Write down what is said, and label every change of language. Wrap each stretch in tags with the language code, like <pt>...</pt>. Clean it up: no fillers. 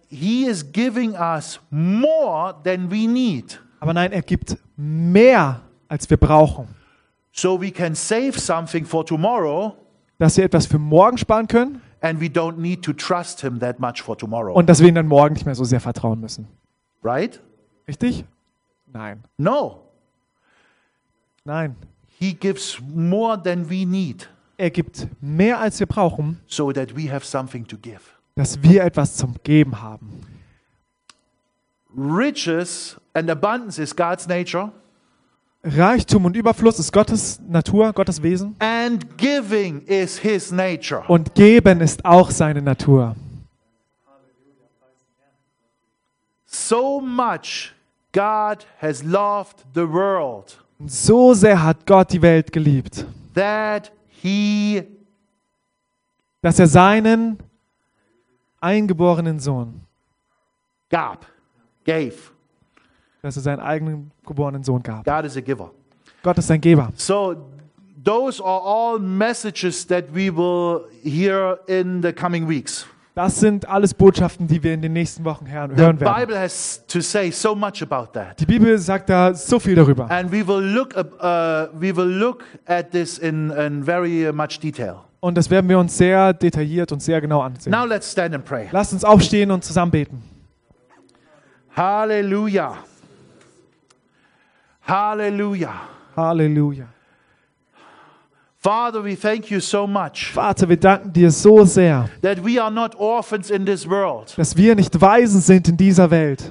<en>He is giving us more than we need.</en> <de>Aber nein, er gibt mehr, als wir brauchen.</de> <en>So we can save something for tomorrow,</en> <de>dass wir etwas für morgen sparen können,</de> <en>and we don't need to trust him that much for tomorrow.</en> <de>Und dass wir ihm dann morgen nicht mehr so sehr vertrauen müssen.</de> <en>Right?</en> <de>Richtig? Nein.</de> <en>No.</en> <de>Nein.</de> <en>He gives more than we need.</en> <de>Er gibt mehr, als wir brauchen,</de> <en>so that we have something to give.</en> <de>Dass wir etwas zum Geben haben.</de> <en>Riches and abundance is God's nature.</en> <de>Reichtum und Überfluss ist Gottes Natur, Gottes Wesen.</de> <en>And giving is his nature.</en> <de>Und geben ist auch seine Natur.</de> <en>So much God has loved the world.</en> <de>So sehr hat Gott die Welt geliebt.</de> <en>That he,</en> <de>dass er seinen eingeborenen Sohn gab,</de> <en>gave.</en> <de>Dass er seinen eigenen geborenen Sohn gab.</de> <en>God is a giver.</en> <de>Gott ist ein Geber.</de> <en>So, those are all messages that we will hear in the coming weeks.</en> <de>Das sind alles Botschaften, die wir in den nächsten Wochen hören werden.</de> <en>The Bible has to say so much about that.</en> <de>Die Bibel sagt da so viel darüber.</de> <en>And we will look at this in very much detail.</en> <de>Und das werden wir uns sehr detailliert und sehr genau ansehen.</de> <en>Now let's stand and pray.</en> <de>Lasst uns aufstehen und zusammen beten. Halleluja. Halleluja. Halleluja.</de> <en>Father, we thank you so much.</en> <de>Vater, wir danken dir so sehr.</de> <en>That we are not orphans in this world.</en> <de>Dass wir nicht Waisen sind in dieser Welt.</de>